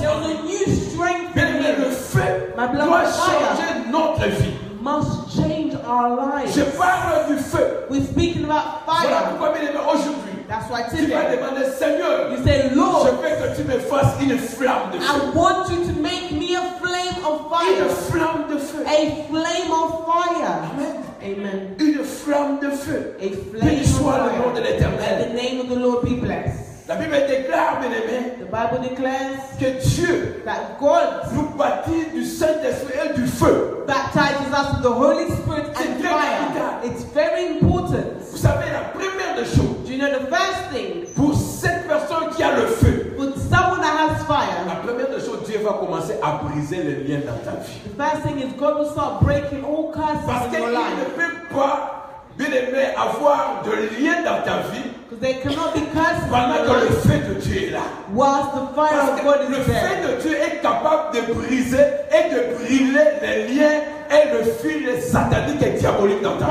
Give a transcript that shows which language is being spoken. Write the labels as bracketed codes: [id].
[en] There was a new strength. [fr] Mais le feu doit changer notre vie. [en] Must change our lives. [fr] Je parle du feu. [en] We're speaking about fire. [fr] Voilà pourquoi bien aimé aujourd'hui. [en] That's why [fr] tu vas demander Seigneur. [en] You say, Lord, [fr] je veux que tu me fasses une flamme de feu. [en] I want you to make me a flame of fire. [fr] Une flamme de feu. [en] A flame of fire. Amen. Amen. [fr] Une flamme de feu. [en] A flame [fr] béni soit le nom de l'Éternel. [en] The name of the Lord be blessed. [fr] La Bible déclare, bien aimé. [en] The Bible declares [fr] que Dieu [en] that God [fr] nous baptise du Saint-Esprit et du feu. [en] Baptizes us with the Holy Spirit and fire. [fr] Capital. [en] It's very important. [fr] Vous savez la première des choses. [en] Do you know the first thing? [fr] Pour cette personne qui a le feu. [en] For someone that has fire. [fr] La première des choses, Dieu va commencer à briser les liens dans ta vie. [en] The first thing is God will start breaking all curses in your life. [fr] Parce qu'il ne peut pas, bien aimé, avoir de liens dans ta vie. [en] Because they cannot be cursed. [fr] Pendant que le feu de Dieu est là. [en] Whilst the fire [fr] parce [en] of God is [fr] le [en] there. [fr] Le feu de Dieu est capable de briser et de brûler les liens et le fil satanique et diabolique dans ta vie.